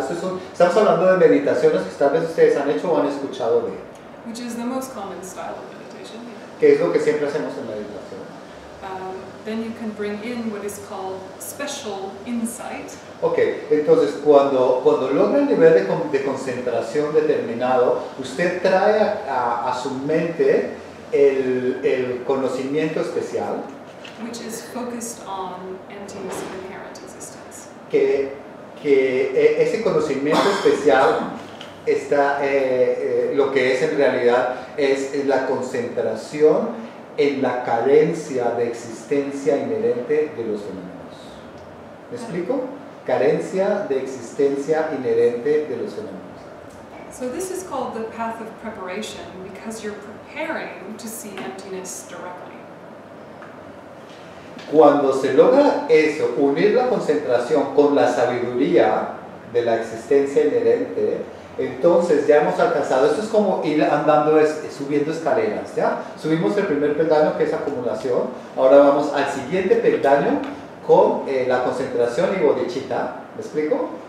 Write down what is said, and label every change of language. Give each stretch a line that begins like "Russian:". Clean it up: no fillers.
Spanish: Estamos hablando de meditaciones que tal vez ustedes han hecho o han escuchado de,
English: which is the most common style of meditation,
Spanish: que es lo que siempre hacemos en meditación.
English: Then you can bring in what is called special insight.
Spanish: Okay, entonces cuando logra el nivel de concentración determinado, usted trae a su mente el conocimiento especial,
English: which is focused on emptiness of inherent existence,
Spanish: que ese conocimiento especial está lo que es en realidad es la concentración en la carencia de existencia inherente de los fenómenos. ¿Me explico? Carencia de existencia inherente de los fenómenos.
English: So this is called the path of preparation because you're preparing to see emptiness directly.
Spanish: Cuando se logra eso, unir la concentración con la sabiduría de la existencia inherente, entonces ya hemos alcanzado. Esto es como ir andando, subiendo escaleras, ¿ya? Subimos el primer peldaño, que es acumulación. Ahora vamos al siguiente peldaño con la concentración y bodhicitta. ¿Me explico?